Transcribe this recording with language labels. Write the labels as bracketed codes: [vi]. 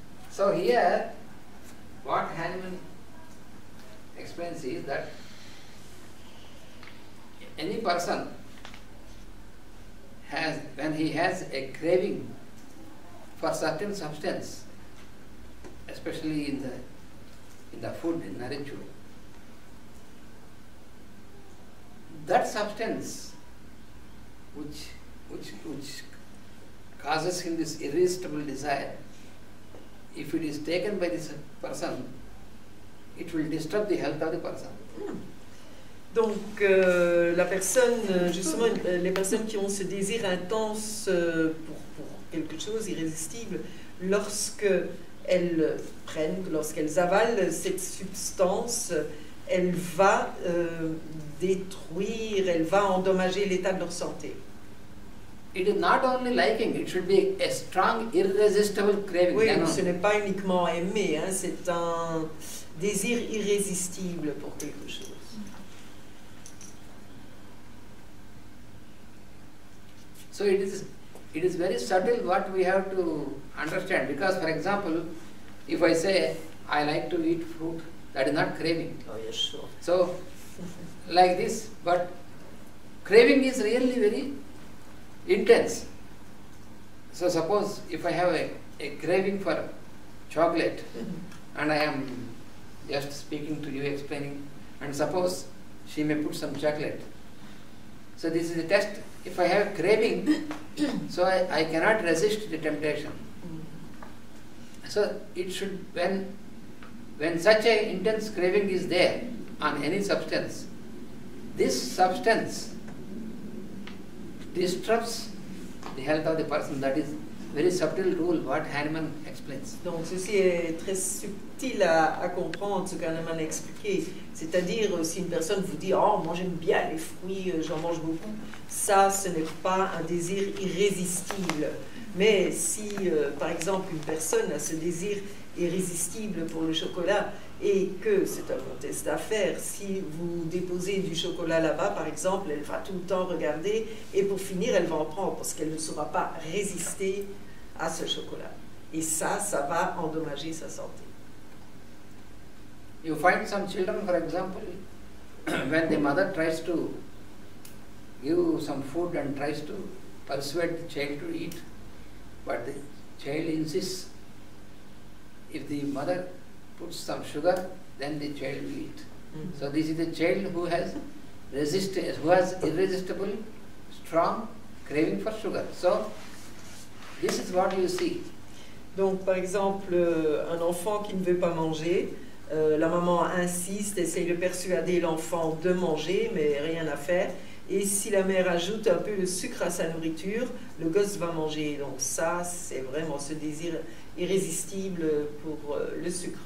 [en] So here, what Hahnemann explains is that any person has, when he has a craving for certain substance, especially in the food, in narichu, that substance which causes him this irresistible desire, if it is taken by this person, it will disturb the health of the person. [fr] Donc la personne, justement, les personnes qui ont ce désir intense pour quelque chose irrésistible, lorsque elles prennent, lorsqu'elles avalent cette substance, elle va détruire, elle va endommager l'état de leur santé. [en] It is not only liking, it should be a strong, irresistible craving. [fr] Oui, ce n'est pas uniquement aimer, hein, c'est un désir irrésistible pour quelque chose. [en] So it is very subtle what we have to understand, because for example, if I say I like to eat fruit, that is not craving. Oh yes, sure. So like this, but craving is really very intense. So suppose if I have a craving for chocolate and I am just speaking to you, explaining, and suppose she may put some chocolate. So this is a test. If I have craving, so I cannot resist the temptation. So it should, when such an intense craving is there on any substance, this substance disrupts the health of the person. That is very subtle rule what Hahnemann explains. [fr] Donc ceci est très subtil à comprendre, ce qu'Hahnemann a expliqué. C'est-à-dire, si une personne vous dit « Oh, moi j'aime bien les fruits, j'en mange beaucoup », ça, ce n'est pas un désir irrésistible. Mais si, par exemple, une personne a ce désir irrésistible pour le chocolat et que c'est un contexte d'affaires, si vous déposez du chocolat là-bas, par exemple, elle va tout le temps regarder et pour finir, elle va en prendre parce qu'elle ne saura pas résister à ce chocolat. Et ça, ça va endommager sa santé. [en] You find some children, for example, when the mother tries to give some food and tries to persuade the child to eat, but the child insists, if the mother puts some sugar, then the child will eat. Mm-hmm. So this is the child who has irresistible, strong craving for sugar. So this is what you see. [fr] Donc, par exemple, un enfant qui ne veut pas manger, la maman insiste, essaye de persuader l'enfant de manger, mais rien à faire. Et si la mère ajoute un peu de sucre à sa nourriture, le gosse va manger. Donc ça, c'est vraiment ce désir irrésistible pour le sucre.